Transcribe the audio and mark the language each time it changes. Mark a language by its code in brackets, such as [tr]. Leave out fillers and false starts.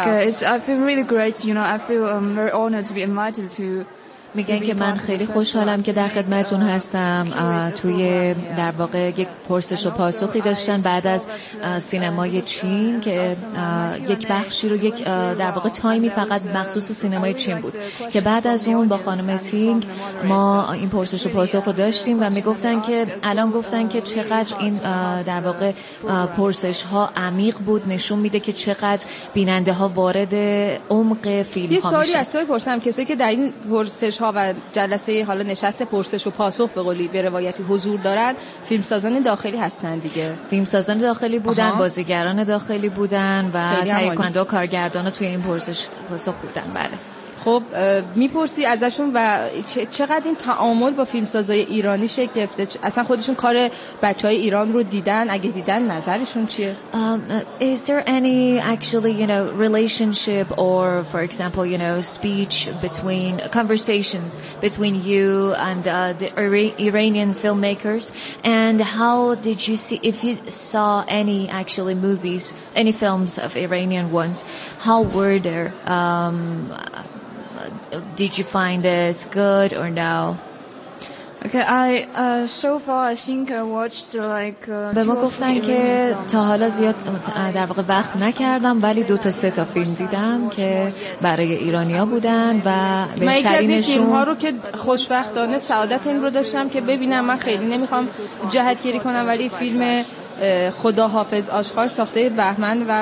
[en] Okay, I feel really great, you know. I feel very honored to be invited to. [fa] میگن که من خیلی خوشحالم که در خدمتون هستم. توی در واقع یک پرسش و پاسخی داشتن بعد از سینمای چین که یک بخشی رو یک در واقع تایمی فقط مخصوص سینمای چین بود که بعد از اون با خانم سینگ ما این پرسش و پاسخ رو داشتیم و میگفتن که الان گفتن که چقدر این در واقع پرسش ها عمیق بود، نشون میده که چقدر بیننده ها وارد عمق فیلم ها میشن. یه سوالی از تو بپرسم، کسی که در این پرسش ها و جلسه حالا نشست پرسش و پاسخ به قولی به روایتی حضور دارند، فیلمسازان داخلی هستند دیگه؟ فیلمسازان داخلی بودن، بازیگران داخلی بودن و تهیه کننده و کارگردان توی این پرسش پاسخ بودن. بله. خب میپرسی ازشون و چقدر این تعامل با فیلمسازای ایرانی شکل گرفته؟ اصلا خودشون کار بچهای ایران رو دیدن؟ اگه دیدن نظرشون چیه؟ [en] Is there any actually, you know, relationship or for example, you know, speech between conversations between you and the Iranian filmmakers, and how did you see, if you saw any actually movies, any films of Iranian ones, how were they did you find it good or no? Okay, I so far I think I watched like [fa] به ما گفتن که تا حالا زیاد در واقع وقت نکردم ولی دو تا سه تا فیلم دیدم که برای ایرانی ها بودن و بهترینشون. من یکی از این فیلم ها رو که خوشبختانه سعادت این رو داشتم که ببینم، من خیلی نمیخوام جهتگیری کنم ولی فیلم خدا حافظ آشخار ساخته بهمن و بهمن